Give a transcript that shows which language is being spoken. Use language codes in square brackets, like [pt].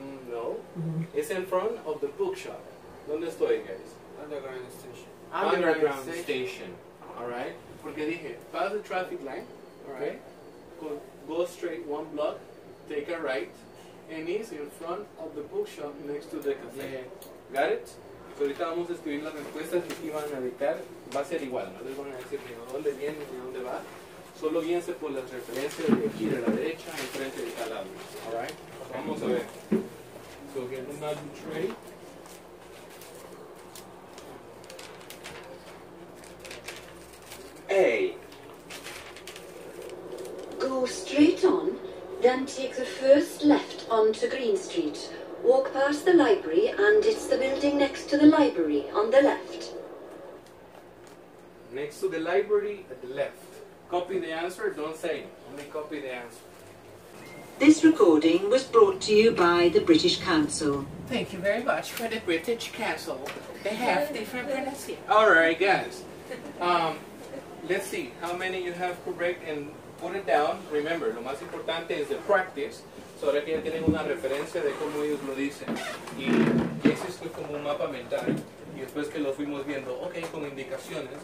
[en] No, it's in front of the bookshop. [es] ¿Dónde estoy, [en] guys? Underground station. Underground station. All right. [es] Porque dije, [en] pass the traffic light. Okay. Go straight one block, take a right, and it's in front of the bookshop next to the cafe. Yeah. Got it? [es] Pues ahorita vamos a escribir las respuestas que iban a dictar. Va a ser igual. No les van a decir ni dónde viene ni dónde va. Solo guíense por las referencias de aquí de la derecha en frente de cada lado. [en] All right. Okay. [es] Vamos a ver. [en] Go get another tray. Hey. Go straight on, then take the first left onto Green Street. Walk past the library, and it's the building next to the library on the left. Next to the library at the left. Copy the answer, don't say it. Only copy the answer. This recording was brought to you by the British Council. Thank you very much for the British Council. They have different pronunciations. All right, guys. Let's see how many you have correct and put it down. Remember, [es] lo más importante [en] is the practice. [es] So ahora que ya tienen una referencia de cómo ellos lo dicen. Y ese fue como un mapa mental. Y después que lo fuimos viendo, okay, con indicaciones.